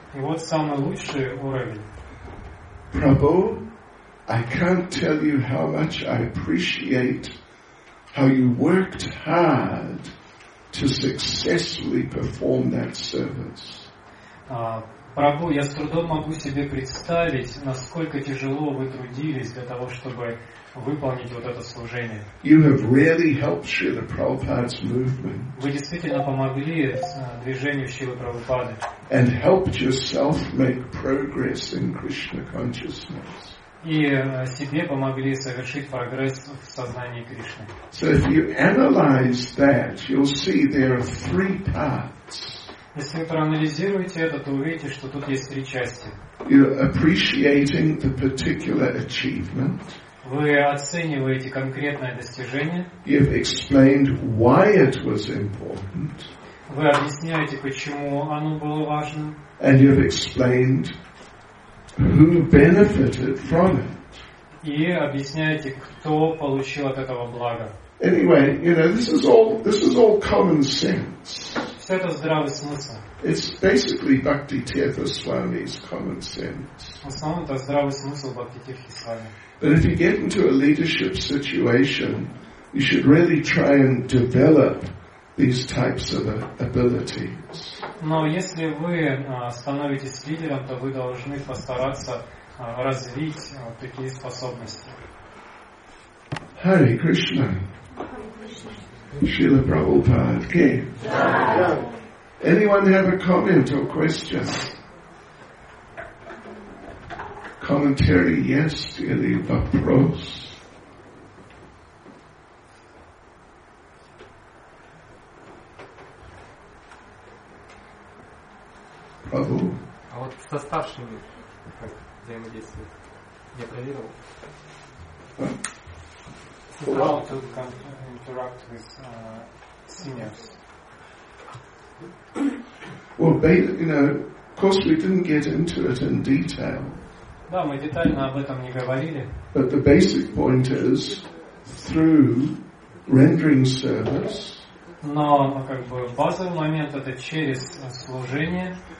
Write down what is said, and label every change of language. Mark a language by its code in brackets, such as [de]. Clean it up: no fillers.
[ru] И вот самый лучший уровень. [en] Prabhu, I can't tell you how much I appreciate how you worked hard to successfully perform that service. [ru] Прабу, я с трудом могу себе представить, насколько тяжело вы трудились для того, чтобы выполнить вот это служение. [en] You have really helped Srila Prabhupada's movement. [ru] Вы действительно помогли движению Шрилы Прабхупады. [en] And helped yourself make progress in Krishna consciousness. [ru] И себе помогли совершить прогресс в сознании Кришны. [en] So if you analyze that, you'll see there are three paths. [ru] Если вы проанализируете это, то увидите, что тут есть три части. [en] You're appreciating the particular achievement. [ru] Вы оцениваете конкретное достижение. [en] You've explained why it was important. [ru] Вы объясняете, почему оно было важно. [en] And you've explained who benefited from it. [ru] И объясняете, кто получил от этого благо. [en] Anyway, you know, this is all common sense. [ru] Это здравый смысл. [en] It's basically Bhakti Tirtha Swami's common sense. [ru] В основном это здравый смысл Бхакти Тирти Свами. [en] But if you get into a leadership situation, you should really try and develop these types of abilities. [ru] Но если вы становитесь лидером, то вы должны постараться развить такие способности. [en] Hare Krishna. Srila Prabhupada. Okay. Anyone have a comment or question? Commentary, yes, dearly Vapros. Prabhu? [ru] А вот со старшими как взаимодействовать? Я проверил. [en] How to interact with seniors. Well, you know, of course we didn't get into it in detail. [ru] Да, мы детально об этом не говорили. [en] But the basic point is, through rendering service, [ru] Но как бы базовый момент это через служение.